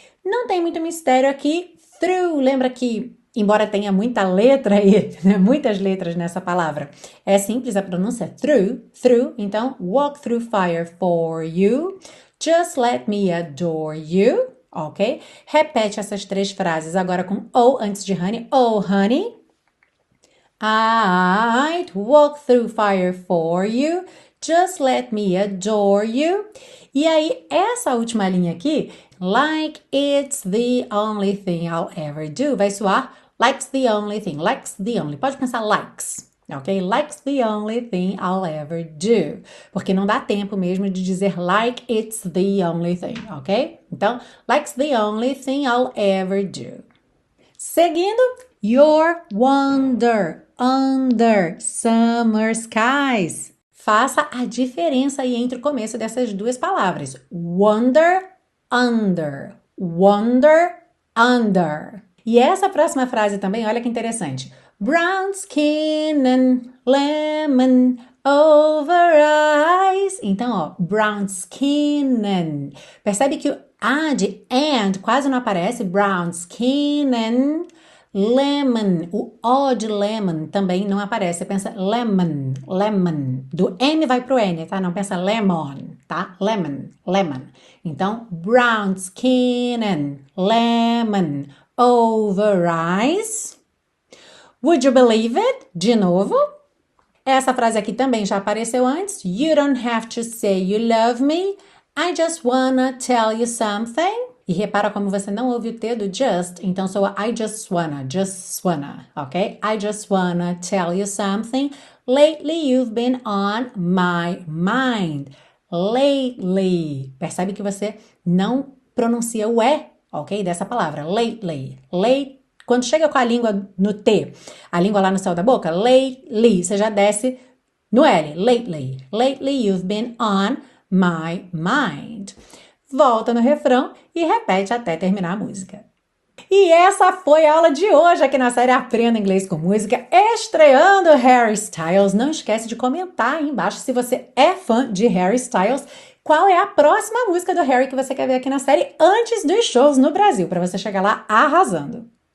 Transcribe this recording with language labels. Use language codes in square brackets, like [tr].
[pt] Não tem muito mistério aqui. Through, lembra que. Embora tenha muita letra aí, né? Muitas letras nessa palavra. É simples a pronúncia, through, então [en] walk through fire for you, just let me adore you, [pt] ok? Repete essas três frases agora com oh antes de honey. [en] Oh, honey, I'd walk through fire for you, just let me adore you. [pt] E aí, essa última linha aqui, [en] like it's the only thing I'll ever do, [pt] vai soar. [en] Likes the only thing, likes the only. [pt] Pode pensar [en] likes, ok? Likes the only thing I'll ever do. [pt] Porque não dá tempo mesmo de dizer like it's the only thing, ok? [en] Então, likes the only thing I'll ever do. Seguindo, your wonder under summer skies. [pt] Faça a diferença aí entre o começo dessas duas palavras. [en] Wonder under. Wonder under. [pt] E essa próxima frase também, olha que interessante. [en] Brown skin and lemon over eyes. Então, ó, brown skin and. [pt] Percebe que o a de and quase não aparece. [en] Brown skin and lemon. [pt] O o de lemon também não aparece. Você pensa lemon, lemon. Do M vai pro N, tá? Não pensa lemon, tá? Lemon, lemon. Então, [en] brown skin and lemon. Over eyes. Would you believe it? [pt] De novo. Essa frase aqui também já apareceu antes. [en] You don't have to say you love me. I just wanna tell you something. [pt] E repara como você não ouve o T do just. Então soa [en] I just wanna, ok? I just wanna tell you something. Lately you've been on my mind. Lately. [pt] Percebe que você não pronuncia o E. Ok? Dessa palavra, lately. Late, quando chega com a língua no T, a língua lá no céu da boca, lately, você já desce no L, lately. [en] Lately you've been on my mind. [pt] Volta no refrão e repete até terminar a música. E essa foi a aula de hoje aqui na série Aprenda Inglês com Música, estreando Harry Styles. Não esquece de comentar aí embaixo se você é fã de Harry Styles. Qual é a próxima música do Harry que você quer ver aqui na série antes dos shows no Brasil, para você chegar lá arrasando?